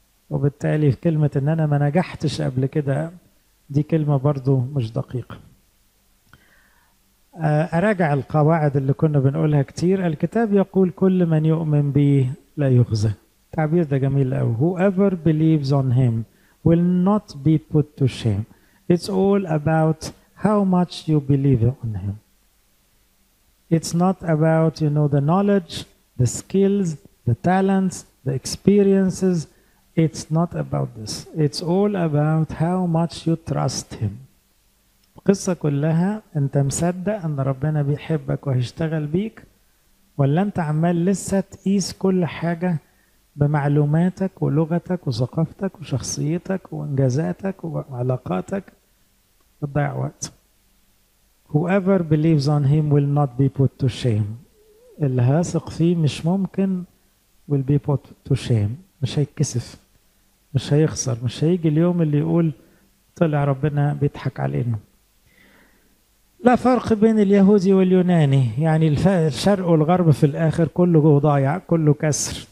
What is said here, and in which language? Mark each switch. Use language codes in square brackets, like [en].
[ar] وبالتالي في كلمة إن أنا ما نجحتش قبل كده دي كلمة برضو مش دقيقة. أراجع القواعد اللي كنا بنقولها كتير. الكتاب يقول كل من يؤمن به لا يخزى، التعبير ده جميل قوي، [en] whoever believes on him will not be put to shame. It's all about how much you believe on him. It's not about, you know, the knowledge, the skills, the talents, the experiences. It's not about this. It's all about how much you trust him. [ar] القصة كلها انت مصدق ان ربنا بيحبك وهيشتغل بيك، ولا انت عمال لسه تقيس كل حاجة بمعلوماتك ولغتك وثقافتك وشخصيتك وانجازاتك وعلاقاتك، بتضيع وقت. [en] Whoever believes on him will not be put to shame. [ar] اللي هيثق فيه مش ممكن [en] will be put to shame. [ar] مش هيتكسف، مش هيخسر، مش هيجي اليوم اللي يقول طلع ربنا بيضحك علينا. لا فرق بين اليهودي واليوناني، يعني الشرق والغرب في الآخر كله ضايع، كله كسر.